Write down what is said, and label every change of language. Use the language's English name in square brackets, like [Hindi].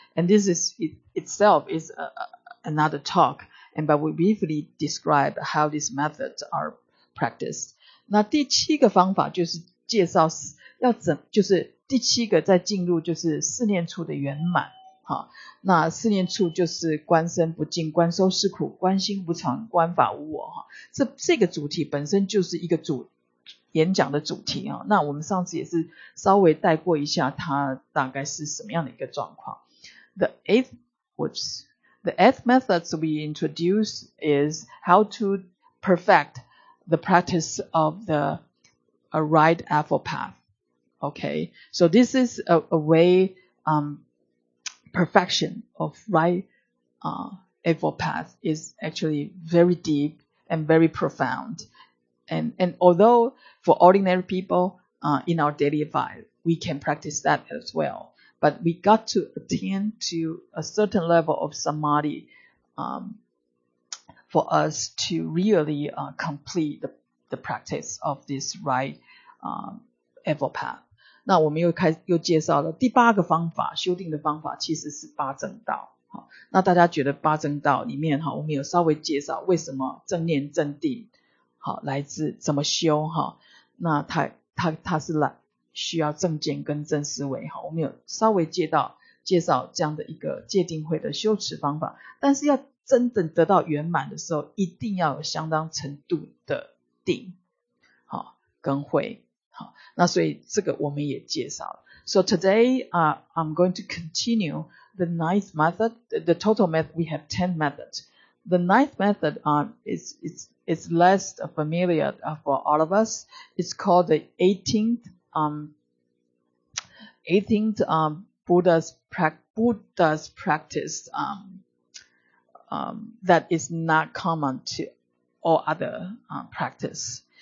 [English] And this is itself is another talk, and but we briefly describe how these methods are practiced. [Chinese] 那第七个方法就是介绍要怎，就是第七个在进入就是四念处的圆满。好，那四念处就是观身不净、观受是苦、观心无常、观法无我。这个主题本身就是一个主演讲的主题，那我们上次也是稍微带过一下它大概是什么样的一个状况。 [English] The eighth methods we introduce is how to perfect the practice of the right effort path. Okay, so this is a way perfection of right effort path is actually very deep and very profound. And although for ordinary people in our daily life, we can practice that as well, but we got to attain to a certain level of samadhi for us to really complete the practice of this right effort path. [Chinese] 那我们又介绍了第八个方法，修定的方法其实是八正道。那大家觉得八正道里面我们有稍微介绍为什么正念正定来自怎么修，那 它是来需要正见跟正思维，我们有稍微介绍这样的一个戒定慧的修持方法，但是要真正得到圆满的时候，一定要有相当程度的定跟慧。那所以这个我们也介绍了。 [English] So today I'm going to continue the ninth method, the total method, we have 10 methods. The ninth method is less familiar for all of us. It's called the 18th Buddha's practice that is not common to all other practice.